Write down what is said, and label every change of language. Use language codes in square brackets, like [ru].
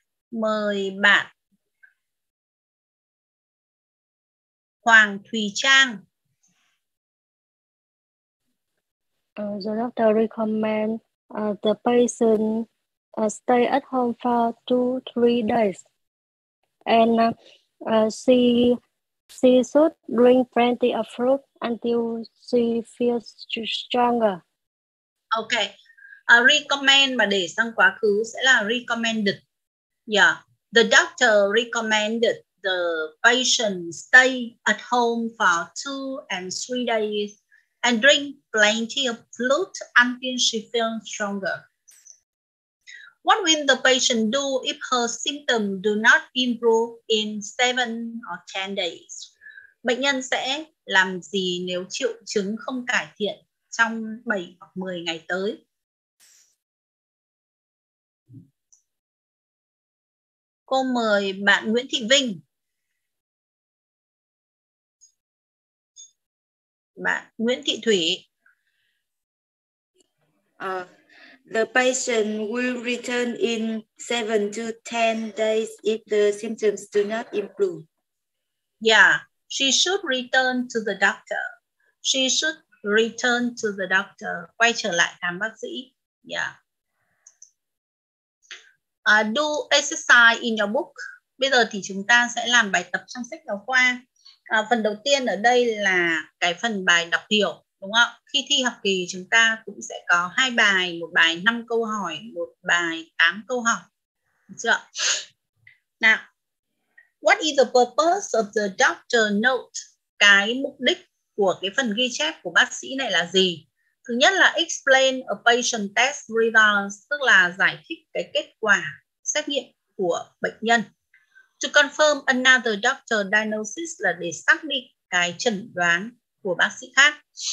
[vi] Mời bạn Hoàng Thùy Trang. [en] The doctor recommend the patient stay at home for 2-3 days. And she should drink plenty of fruit until she feels stronger. Okay. [vi] Recommend mà để sang quá khứ sẽ là recommended. [en] Yeah. The doctor recommended the patient stay at home for 2-3 days. And drink plenty of fluid until she feels stronger. What will the patient do if her symptoms do not improve in 7 or 10 days? [vi] Bệnh nhân sẽ làm gì nếu triệu chứng không cải thiện trong 7 hoặc 10 ngày tới? Cô mời bạn Nguyễn Thị Vinh. Bạn Nguyễn Thị Thủy. [en] The patient will return in 7 to 10 days if the symptoms do not improve. Yeah, she should return to the doctor. She should return to the doctor. [vi] Quay trở lại khám bác sĩ. Yeah. [en] Do exercise in your book. [vi] Bây giờ thì chúng ta sẽ làm bài tập trong sách giáo khoa. Phần đầu tiên ở đây là cái phần bài đọc hiểu, đúng không? Khi thi học kỳ chúng ta cũng sẽ có 2 bài, một bài 5 câu hỏi, một bài 8 câu hỏi. Được chưa? [en] Nào, what is the purpose of the doctor note? [vi] Cái mục đích của cái phần ghi chép của bác sĩ này là gì? Thứ nhất là [en] explain a patient test results, [vi] tức là giải thích cái kết quả xét nghiệm của bệnh nhân. To confirm another doctor diagnosis là để xác định cái chẩn đoán của bác sĩ khác.